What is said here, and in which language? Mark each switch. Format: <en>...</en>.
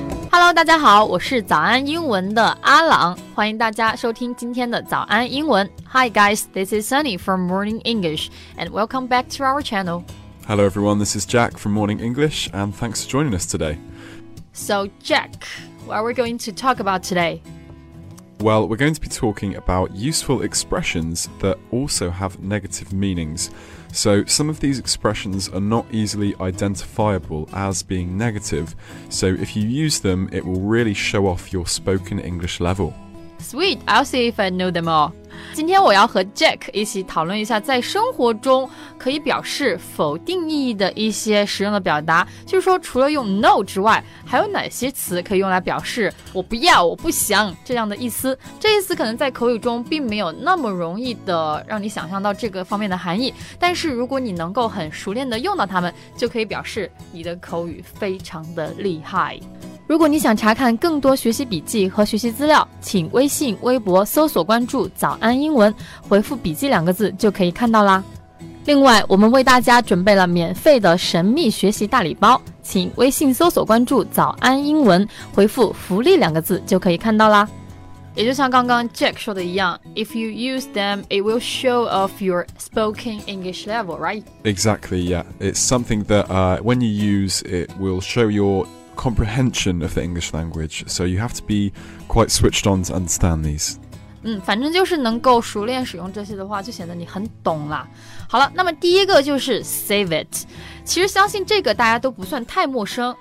<zh>Hello， 大家好，我是早安英文的阿朗，欢迎大家收听今天的早安英文。</zh> <en>Hi guys, this is Sunny from Morning English, and welcome back to our channel. Hello everyone, this is Jack from Morning English, and thanks for joining us today. So Jack, what are we going to talk about today? Well, we're going to be talking about useful expressions that also have negative meanings. So some of these expressions are not easily identifiable as being negative. So if you use them, it will really show off your spoken English level. Sweet, I'll see if I know them all.</en> <zh>今天我要和 Jack 一起讨论一下在生活中可以表示否定意义的一些实用的表达。就是说除了用 no 之外，还有哪些词可以用来表示我不要，我不想这样的意思。这意思可能在口语中并没有那么容易的让你想象到这个方面的含义，但是如果你能够很熟练的用到它们，就可以表示你的口语非常的厉害。如果你想查看更多学习笔记和学习资料，请微信、微博搜索关注早安英文，回复笔记两个字就可以看到啦。另外，我们为大家准备了免费的神秘学习大礼包，请微信搜索关注早安英文，回复福利两个字就可以看到啦。也就像刚刚 Jack 说的一样，</zh> <en>If you use them, it will show off your spoken English level, right? Exactly, yeah. It's something that when you use, it will show yourComprehension of the English language, so you have to be quite switched on to understand these.</en> <zh>反正就是能够熟练使用这些的话，就显得你很懂了。好了，那么第一个就是 save it。其实相信这个大家都不算太陌生。</zh>